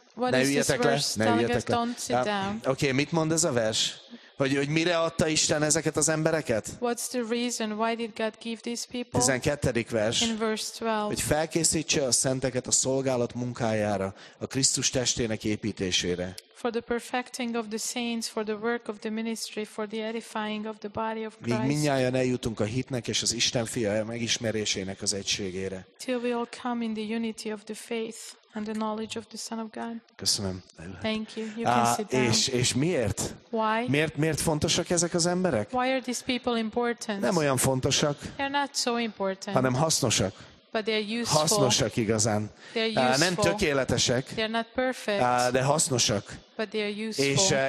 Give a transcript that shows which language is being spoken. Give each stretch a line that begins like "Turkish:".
Hungarian: Ne üljetek le. Oké, okay, mit mond ez a vers? Hogy mire adta Isten ezeket az embereket? 12. vers.
English: In verse 12.
Hungarian: Hogy felkészítse a szenteket a szolgálat munkájára, a Krisztus testének építésére.
English: For the perfecting of the saints, for the work of the ministry, for the edifying of the body of Christ.
Hungarian: Míg mindnyájan eljutunk a hitnek és az Isten fia megismerésének az egységére.
English: Till we all come in the unity of the faith and the knowledge of the Son of God.
Hungarian: Köszönöm.
English: Thank you. You can sit down.
Hungarian: És miért?
English: Why?
Hungarian: Miért fontosak ezek az emberek?
English: Why are these people important?
Hungarian: Nem olyan fontosak.
English: They're not so important.
Hungarian: Hanem hasznosak.
English: But they are useful.
Hungarian: Hasznosak igazán. Nem tökéletesek.
English: They are not perfect.
Hungarian: De hasznosak.
English: But they are useful.